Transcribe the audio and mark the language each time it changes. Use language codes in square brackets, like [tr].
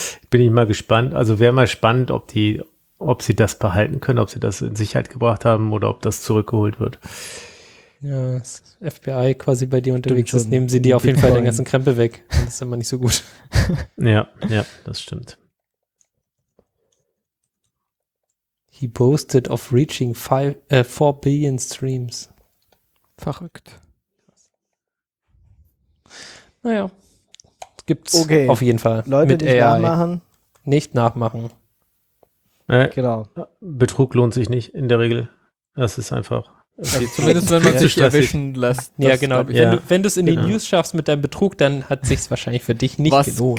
[de] Bin ich mal gespannt, also wäre mal spannend, ob sie das behalten können, ob sie das in Sicherheit gebracht haben oder ob das zurückgeholt wird. Ja, das FBI quasi bei dir unterwegs ist, nehmen sie dir auf jeden Fall den ganzen Krempel weg. Das ist immer nicht so gut. Ja, das stimmt. [en] He boasted of reaching 4 billion streams. [de] Verrückt. Naja, gibt's auf jeden Fall. Leute, mit AI. Nicht nachmachen. Genau. Betrug lohnt sich nicht in der Regel. Das ist einfach. Zumindest wenn man sich erwischen lässt. Ja, genau. Wenn du es in die News schaffst mit deinem Betrug, dann hat es sich wahrscheinlich für dich nicht gelohnt.